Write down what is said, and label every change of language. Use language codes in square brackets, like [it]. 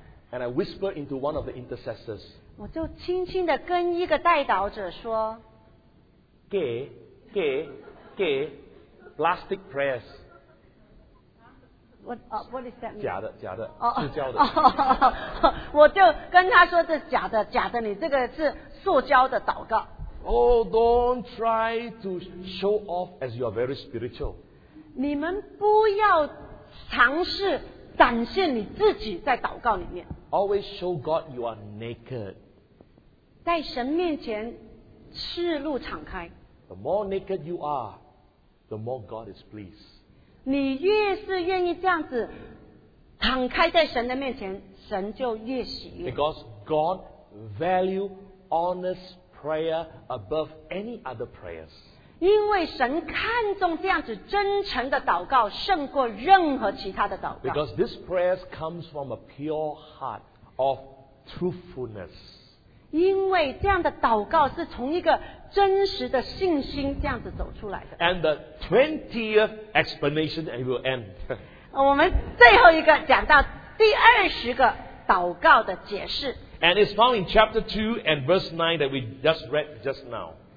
[en] And I whisper into one of the intercessors. [zh] 我就轻轻的跟一个代祷者说。给 [en] plastic prayers. What is that mean? [zh] 假的 塑胶的。我就跟他说这假的你这个是塑胶的祷告。 [en] Oh, don't try to show off as you are very spiritual. [zh] 你们不要尝试展现你自己在祷告里面。 [en] Always show God you are naked. [zh] 在神面前赤露敞开。 [en] The more naked you are, the more God is pleased. [zh] 你越是愿意这样子敞开在神的面前，神就越喜悦。 [en] Because God values honest prayer above any other prayers. [zh] 因为神看重这样子真诚的祷告胜过任何其他的祷告。 [en] Because this prayer comes from a pure heart of truthfulness. [zh] 因为这样的祷告是从一个真实的信心这样子走出来的。 [en] And the 20th explanation and will end. [zh] 我们最后一个讲到第二十个祷告的解释。 [en] And it's found in chapter 2 and verse 9 that we just read just now.